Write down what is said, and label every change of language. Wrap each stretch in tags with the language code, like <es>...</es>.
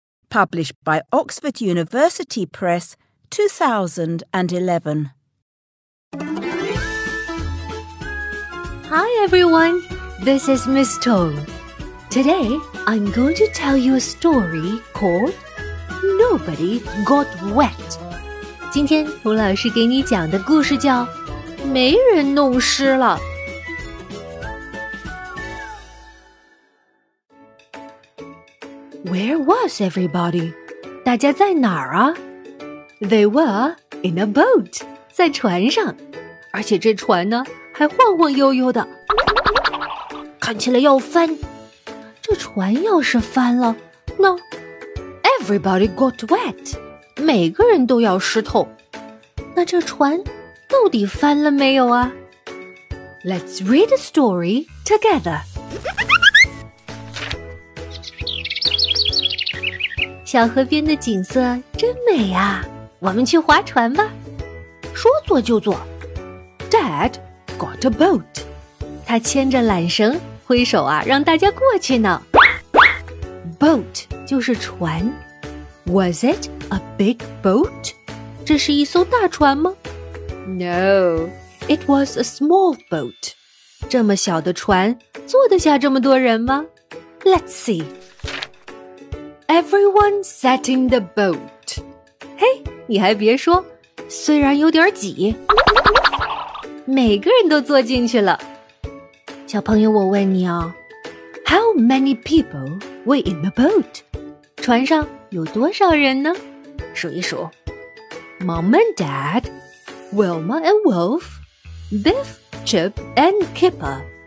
<en>Published by Oxford University Press, 2011. Hi everyone, this is Miss Toh. Today, I'm going to tell you a story called Nobody Got Wet.</en> <zh>今天胡老师给你讲的故事叫没人弄湿了。</zh> <en>Where was everybody?</en> <zh>大家在哪儿啊?</zh> <en>They were in a boat.</en> <zh>在船上。而且这船呢还晃晃悠悠的。看起来要翻。这船要是翻了那</zh> <en>Everybody got wet.</en> <zh>每个人都要湿透。那这船到底翻了没有啊?</zh> <en>Let's read a story together.</en> <zh>小河边的景色真美啊，我们去划船吧。说坐就坐。</zh> <en>Dad got a boat.</en> <zh>他牵着缆绳挥手啊，让大家过去呢。</zh> <en>Boat</en> <zh>就是船。</zh> <en>Was it a big boat?</en> <zh>这是一艘大船吗？</zh> <en>No, it was a small boat.</en> <zh>这么小的船坐得下这么多人吗？</zh> <en>Let's see. Everyone sat in the boat.</en> <zh>嘿，你还别说，虽然有点挤，每个人都坐进去了。小朋友，我问你哦，</zh> <en>How many people were in the boat?</en> <zh>船上有多少人呢？数一数。</zh> <en>Mom and Dad, Wilma and Wolf, Biff, Chip and Kipper.</en>